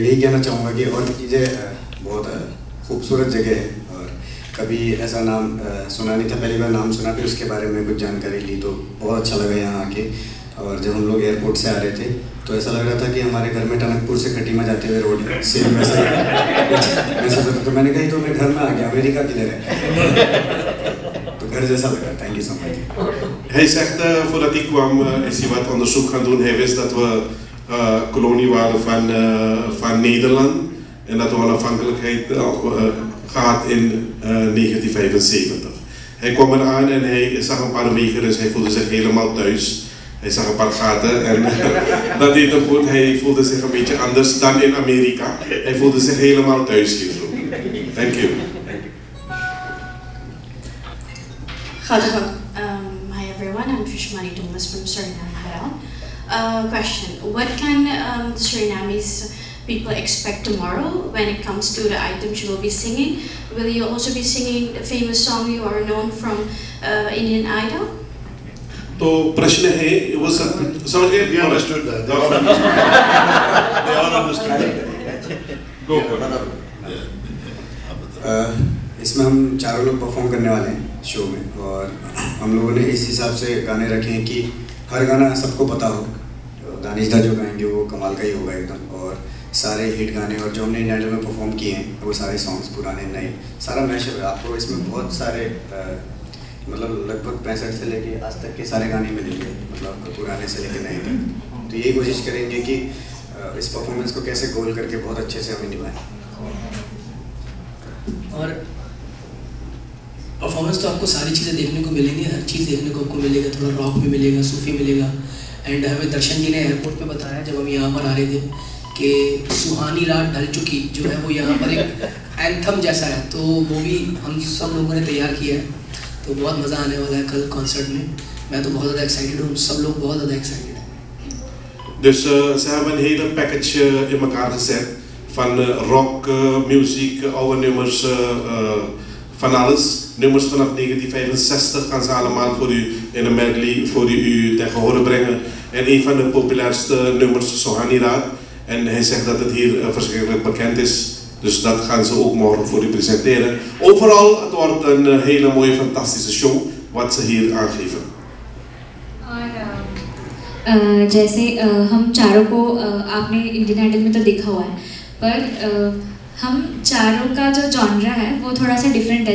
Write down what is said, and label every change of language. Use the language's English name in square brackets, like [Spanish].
[Hindi] यही कहना चाहूँगा कि और भी चीज़ें बहुत खूबसूरत जगह है, और कभी ऐसा नाम सुना नहीं था, पहली बार नाम सुना, फिर उसके बारे में कुछ जानकारी ली तो बहुत अच्छा लगा यहाँ आके। और जब हम लोग एयरपोर्ट से आ रहे थे तो ऐसा लग रहा था कि हमारे घर में टनकपुर से खटीमा जाते हुए रोड सेम वैसा ही, तो मैंने कहा तो मैं घर में आ गया, अमेरिका किधर है, तो घर जैसा लग रहा। [English] Thank you so much. [Dutch] Hij zegt voordat ik kwam is hij wat onderzoek gaan doen. Hij wist dat we kolonie waren van Nederland en dat we onafhankelijkheid gehad in 1975. Hij kwam eraan en hij zag een paar wegen, dus hij voelde zich helemaal thuis. Hij zag een paar gaten en dat deed hem goed. Hij voelde zich een beetje anders dan in Amerika. Hij voelde zich helemaal thuis hier. [English] Thank you. Hi everyone, I'm Trishmani Thomas from Suriname. Question, what can the Surinamese people expect tomorrow when it comes to the items you will be singing? Will you also be singing the famous song you are known from Indian Idol? [Hindi] तो प्रश्न है वो समझ गए? [English] We understood that. They all understood that. They all understood that. Go for it. [Hindi] इसमें हम चारों लोग परफॉर्म करने वाले हैं शो में, और हम लोगों ने इस हिसाब से गाने रखे हैं कि हर गाना सबको पता हो। दानिश दा जो गाएंगे वो कमाल का ही होगा एकदम, और सारे हिट गाने और जो हमने इंडिया में परफॉर्म किए हैं वो सारे सॉन्ग्स पुराने नए सारा मैच है। आपको इसमें बहुत सारे मतलब लगभग 65 से लेके आज तक के सारे गाने मिलेंगे, मतलब पुराने से लेके नए तक। तो यही कोशिश करेंगे कि इस परफॉर्मेंस को कैसे गोल करके बहुत अच्छे से हमें निभाएं। और परफॉर्मेंस तो आपको सारी चीज़ें देखने को मिलेंगी, हर चीज़ देखने को आपको मिलेगा, थोड़ा रॉक भी मिलेगा, सूफी मिलेगा। एंड हमें दर्शन जी ने एयरपोर्ट पर बताया जब हम यहाँ पर आ रहे थे कि सुहानी रात ढल चुकी जो है वो यहाँ पर एक एंथम जैसा है, तो वो भी हम सब लोगों ने तैयार किया है, तो बहुत मज़ा आने वाला है कल कॉन्सर्ट में। मैं तो बहुत ज़्यादा एक्साइटेड हूँ, सब लोग बहुत ज़्यादा एक्साइटेड हैं। [Dutch] दिस ze hebben een hele package in elkaar gezet van rock music, oude nummers, van alles. Nummers vanaf 1965 gaan ze allemaal voor u in een medley voor u ter gehoor brengen. En een van de populairste nummers is Sohani Raat. En hij zegt dat het hier verschrikkelijk bekend is. Dus dat gaan ze ook morgen voor u presenteren. Overal, het wordt een hele mooie, fantastische show wat ze hier aangeven. जैसे हम चारों को आपने इंडियन आइडल में तो देखा हुआ है, पर हम चारों का जो जॉनरा है वो थोड़ा सा डिफरेंट है।